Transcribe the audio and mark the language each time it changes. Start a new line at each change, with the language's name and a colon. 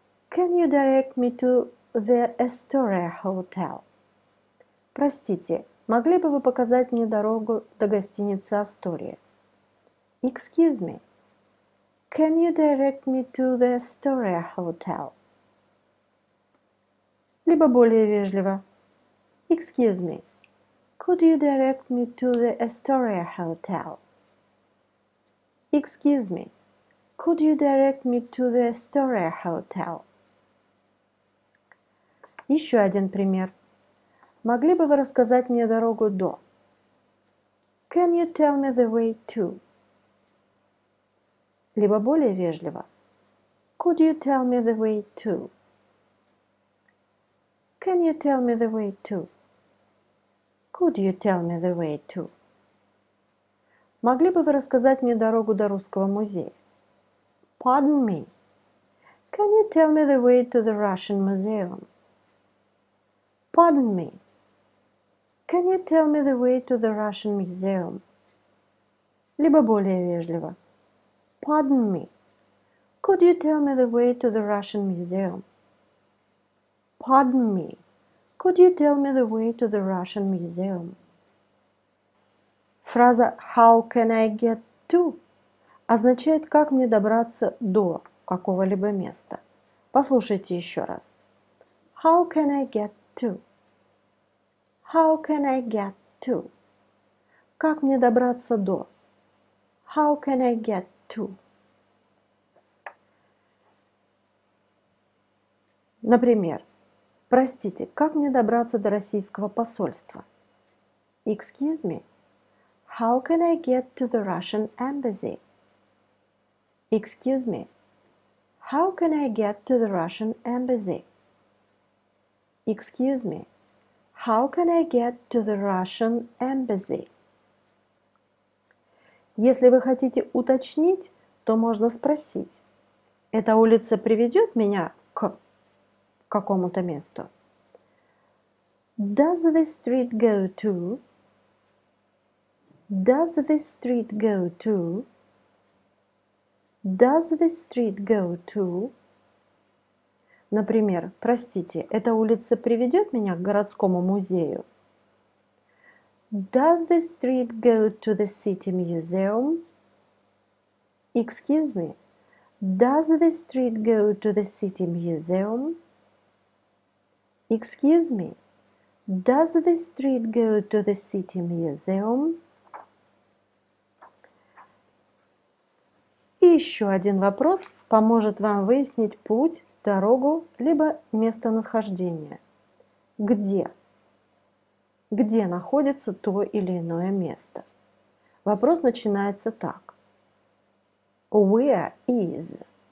English: Can you direct me to the Astoria Hotel?
Russian: Простите, могли бы вы показать мне дорогу до гостиницы Астория?
English: Excuse me. Can you direct me to the Astoria Hotel?
Russian: Либо более вежливо.
English: Excuse me. Could you direct me to the Astoria Hotel? Excuse me. Could you direct me to the Astoria Hotel?
Russian: Еще один пример. Могли бы вы рассказать мне дорогу до?
English: Can you tell me the way to?
Russian: Либо более вежливо.
English: Could you tell me the way to? Can you tell me the way to? Could you tell me the way to?
Russian: Могли бы вы рассказать мне дорогу до Русского музея?
English: Pardon me. Can you tell me the way to the Russian Museum? Pardon me. Can you tell me the way to the Russian Museum?
Russian: Либо более вежливо.
English: Pardon me. Could you tell me the way to the Russian Museum? Pardon me. Could you tell me the way to the Russian Museum? Фраза «How can I get to?»
Russian: означает «Как мне добраться до какого-либо места?» Послушайте еще раз.
English: How can I get to? How can I get to?
Russian: Как мне добраться до?
English: How can I get to?
Russian: Например, простите, как мне добраться до российского посольства?
English: Excuse me. How can I get to the Russian embassy? Excuse me. How can I get to the Russian embassy? Excuse me. How can I get to the Russian embassy?
Russian: Если вы хотите уточнить, то можно спросить. Эта улица приведет меня к какому-то месту?
English: Does this street go to? Does this street go to? Does this street go to?
Russian: Например, простите, эта улица приведет меня к городскому музею?
English: Does the street go to the city museum? Excuse me. Does the street go to the city museum? Excuse me. Does the street go to the city museum?
Russian: И еще один вопрос поможет вам выяснить путь, дорогу, либо местонахождение. Где? Где находится то или иное место? Вопрос начинается так.
English: Where is?